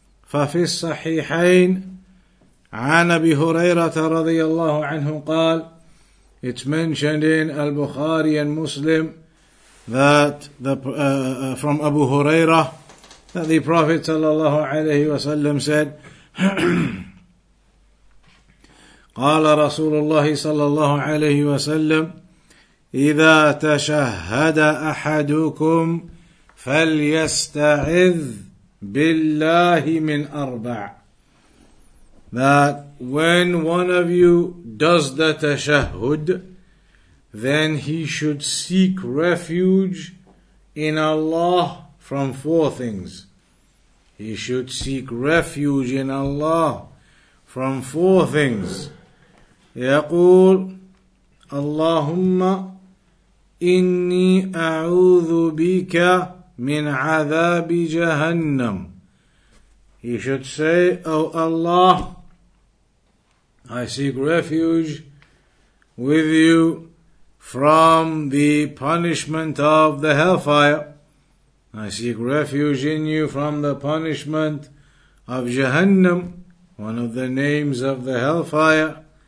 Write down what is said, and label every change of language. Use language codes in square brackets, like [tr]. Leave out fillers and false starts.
[ar] فَفِي الصَّحِيحَيْنِ عَنْ أَبِي هُرَيْرَةَ رَضِيَ اللَّهُ عَنْهُ قَالَ. [en] It's mentioned in Al-Bukhari and Muslim that from Abu Hurairah, that the Prophet sallallahu alayhi wa sallam said, [ar] قال رسول الله صلى الله عليه وسلم إذا تشهد أحدكم فليستعذ بالله من أربع. [en] That when one of you does the tashahhud, then he should seek refuge in Allah from four things. He should seek refuge in Allah from four things. [ar] يقول اللهم إني أعوذ بك من عذاب جهنم. [en] He should say, O Allah, I seek refuge with you from the punishment of the hellfire. I seek refuge in you from the punishment of Jahannam, one of the names of the hellfire.